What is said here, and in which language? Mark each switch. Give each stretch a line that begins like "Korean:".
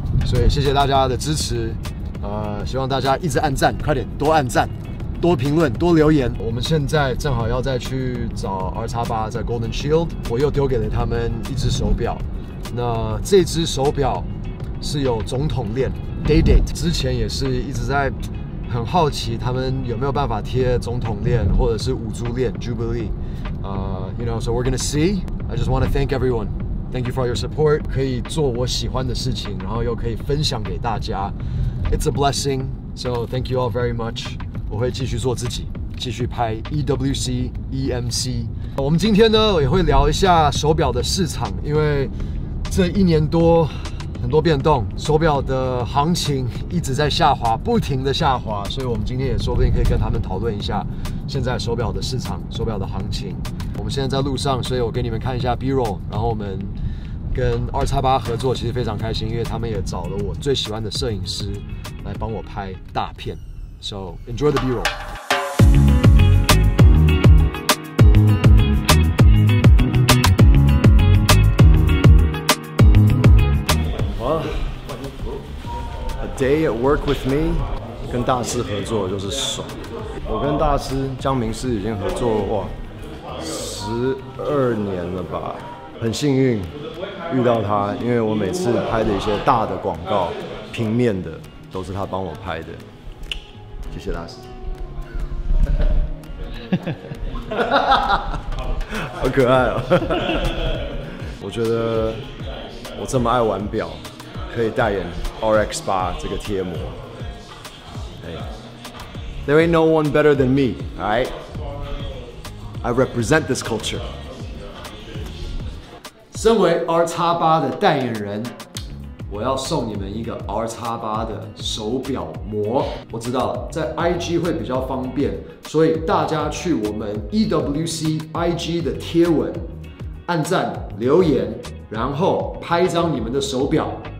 Chinese: 所以谢谢大家的支持，希望大家一直按赞，快点多按赞，多评论，多留言。我们现在正好要再去找 R8 在 Golden Shield， 我又丢给了他们一只手表。那这只手表是有总统链 ，Day-Date， 之前也是一直在。很好奇他们有没有办法贴总统链或者是五珠链
English: Jubilee， you know, so we're gonna see. I just want to thank everyone. Thank you for all your support.
Chinese: 可以做我喜欢的事情，然后又可以分享给大家。
English: It's a blessing. So thank you all very much.
Chinese: 我会继续做自己，继续拍 EWC EMC。我们今天呢也会聊一下手表的市场，因为这一年多。很多变动，手表的行情一直在下滑，不停的下滑，所以我们今天也说不定可以跟他们讨论一下现在手表的市场、手表的行情。我们现在在路上，所以我给你们看一下 B-roll， 然后我们跟 R8 合作，其实非常开心，因为他们也找了我最喜欢的摄影师来帮我拍大片。
English: So enjoy the B-roll。 Day at work with me，
Chinese: 跟大师合作就是爽。我跟大师江明是已经合作哇12年了吧，很幸运遇到他，因为我每次拍的一些大的广告、平面的，都是他帮我拍的。谢谢大师。好可爱哦。我觉得我这么爱玩表。可以代言 RX8 这个贴膜。
English: Hey. There ain't no one better than me, alright? I represent this culture.
Chinese: 身为 R8 的代言人，我要送你们一个 R8 的手表膜。我知道在 IG 会比较方便，所以大家去我们 EWC IG 的贴文按赞留言，然后拍一张你们的手表。